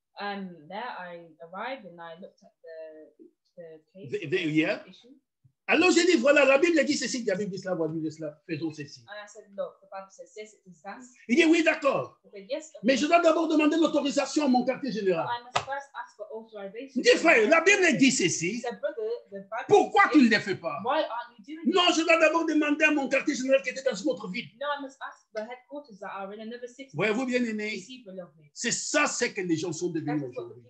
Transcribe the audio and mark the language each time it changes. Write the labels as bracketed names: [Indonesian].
[English] There I arrived and I looked at the case. [French] Alors j'ai dit voilà, la Bible dit ceci, la Bible dit cela, voilà, la Bible dit cela, faisons ceci. [English] And I said, look, the Bible says this, it is this. [French] Il dit oui, d'accord. [English] Said, yes, okay. [French] Mais je dois d'abord demander l'autorisation à mon quartier général. [English] I must first ask for authorization. [French] Il dit frère, la Bible dit ceci. Pourquoi tu ne le fais pas? [English] Why aren't you doing it? [French] Non, je dois d'abord demander à mon quartier général qui était dans une autre ville. [English] No, I must ask the headquarters that are in another city. [French] Ouais, vous bien aimé. C'est ça, c'est que les gens sont devenus aujourd'hui.